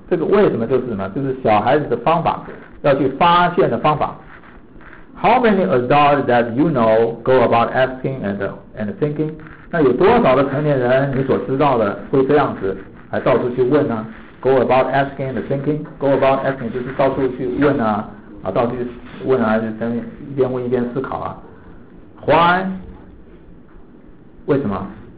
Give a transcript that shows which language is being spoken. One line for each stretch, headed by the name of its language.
Chinese: 这个为什么就是什么？就是小孩子的方法，要去发现的方法。
English: How many adults that you know go about asking and thinking？
Chinese: 那有多少的成年人你所知道的会这样子，还到处去问呢？
English: Go about asking and thinking. Go about asking
Chinese: 就是到处去问啊，啊，到处去问啊，就是一边问一边思考啊。
English: Why？
Chinese: 为什么？